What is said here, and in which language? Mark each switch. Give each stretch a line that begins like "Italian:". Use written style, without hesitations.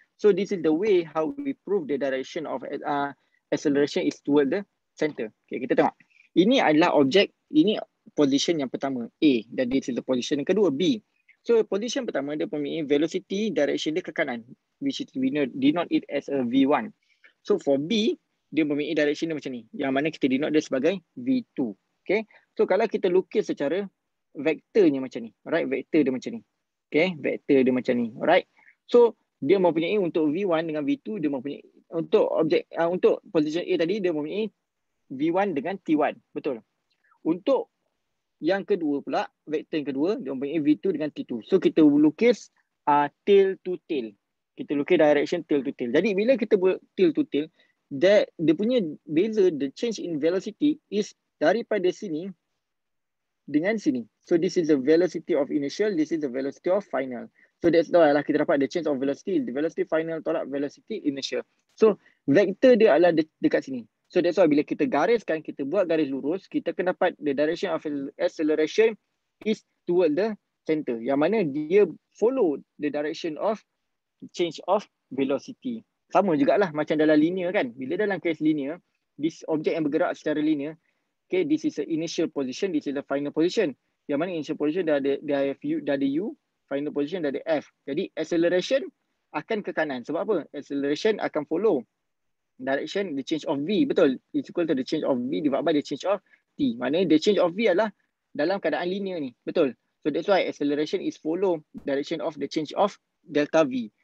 English: So this is the way how we prove the direction of acceleration is towards the center.
Malay: Okay, kita tengok. Ini adalah objek, ini position yang pertama A, dan
English: this is the position
Malay: yang kedua B.
English: So position
Malay: pertama dia mempunyai
English: velocity direction
Malay: dia ke kanan,
English: which is we denote it as a V1.
Malay: So for B, dia mempunyai direction dia macam ni, yang mana kita denote dia sebagai V2. Okay, so kalau kita lukis secara vektornya macam ni, right? Vektor dia macam ni. Okay, vektor dia macam ni, alright? So dia mempunyai untuk V1 dengan V2, dia mempunyai untuk objek, untuk position A tadi, dia mempunyai V1 dengan T1, betul? Untuk yang kedua pula, vektor yang kedua, dia mempunyai V2 dengan T2.
English: So kita lukis tail to tail. Kita lukis direction tail to tail.
Malay: Jadi bila kita buat tail to tail, dia punya beza,
English: the change in velocity
Malay: is daripada sini dengan sini.
English: So this is the velocity of initial, this is the velocity of final. So that's why lah
Malay: kita dapat
English: the change of velocity, the velocity final tolak velocity initial.
Malay: So vector dia adalah dekat sini.
English: So that's why
Malay: bila kita gariskan, kita buat garis lurus, kita akan dapat
English: the direction of acceleration is toward the center,
Malay: yang mana dia
English: follow the direction of change of velocity.
Malay: Sama jugalah macam dalam linear kan.
English: Bila dalam case linear, this object
Malay: yang bergerak secara linear,
English: okay, this is the initial position, this is the final position.
Malay: Yang mana initial position dah ada u, final position dah ada f. Jadi acceleration akan ke kanan. Sebab apa? Acceleration akan follow direction
English: the change of v,
Malay: betul?
English: It's equal to the change of v divided by the change of t.
Malay: Maknanya
English: the change of v
Malay: adalah dalam keadaan linear ni, betul?
English: So that's why acceleration is follow direction of the change of delta v.